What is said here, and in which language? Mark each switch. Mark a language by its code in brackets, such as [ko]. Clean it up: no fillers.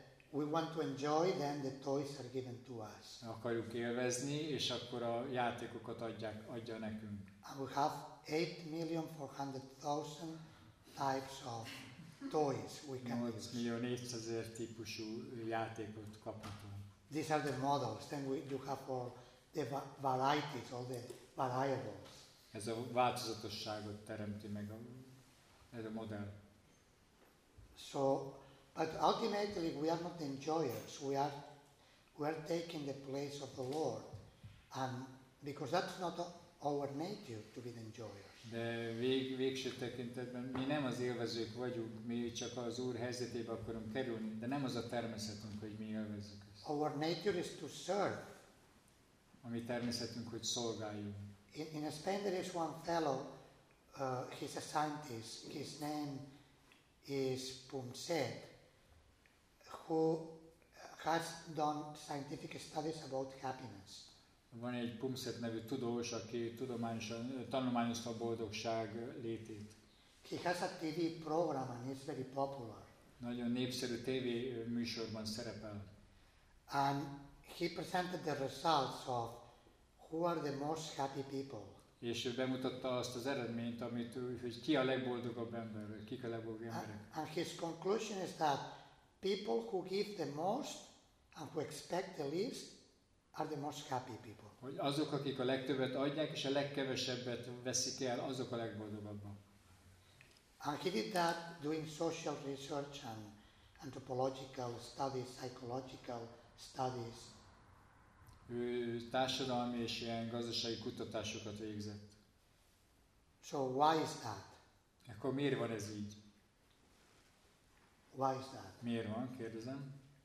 [en] We want to enjoy, then the toys are given to us. [hu] Akarjuk élvezni, és akkor a játékokat adja nekünk. [en] And we have 8,400,000 types of toys we can use. [hu] 8,400,000 típusú játékot kaphatunk. [en] These are the models. Then you have all the varieties, all the variables. [hu] Ez a változatosságot teremti meg ez a modell. [en] So. But ultimately, we are not the enjoyers. We are taking the place of the Lord, and because that's not our nature to be the enjoyers. [hu] De végső tekintetben mi nem az élvezők vagyunk, mi csak az Úr helyzetébe akarunk kerülni, de nem az a természetünk, hogy mi élvezzük ezt. [en] Our nature is to serve. [hu] A mi természetünk, hogy szolgáljunk. [en] In Spain, there is one fellow. He's a scientist. His name is Pumset, who has done scientific studies about happiness. [hu] Van egy Pumset nevű tudós, aki tanulmányozta a boldogság létét. [en] He has a TV program and is very popular. [hu] Nagyon népszerű TV műsorban szerepel. [en] And he presented the results of who are the most happy people. [hu] És ő bemutatta azt az eredményt, amit hogy ki a legboldogabb ember, kik a legboldogabb emberek. [en] And his conclusion is that people who give the most and who expect the least are the most happy people. [hu] Hogy azok, akik a legtöbbet adják és a legkevesebbet veszik el, azok a legboldogabbak. [en] And he did that doing social research and anthropological studies, psychological studies. [hu] Ő társadalmi és ilyen gazdasági kutatásokat végzett. [en] So why is that? [hu] Akkor miért van ez így? [en] Why is that? [hu] Miért van, kérdezem?